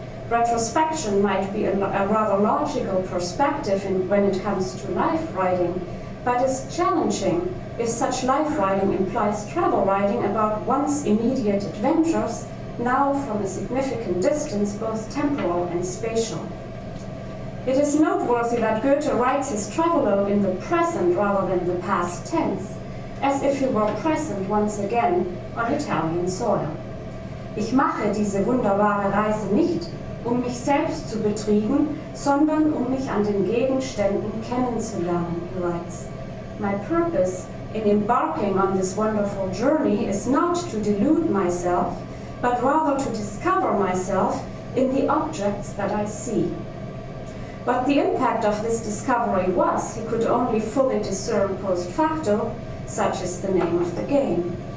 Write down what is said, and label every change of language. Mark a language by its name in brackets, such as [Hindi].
[English] Retrospection might be a rather logical perspective when it comes to life writing, but is challenging if such life writing implies travel writing about once immediate adventures, now from a significant distance, both temporal and spatial. It is noteworthy that Goethe writes his travelogue in the present rather than the past tense, as if he were present once again on Italian soil. [German] Ich mache diese wunderbare Reise nicht, mich selbst zu betrügen, sondern mich an den Gegenständen kennenzulernen, [English] he writes. My purpose in embarking on this wonderful journey is not to delude myself, but rather to discover myself in the objects that I see. What the impact of this discovery was, he could only fully discern post facto, such is the name of the game.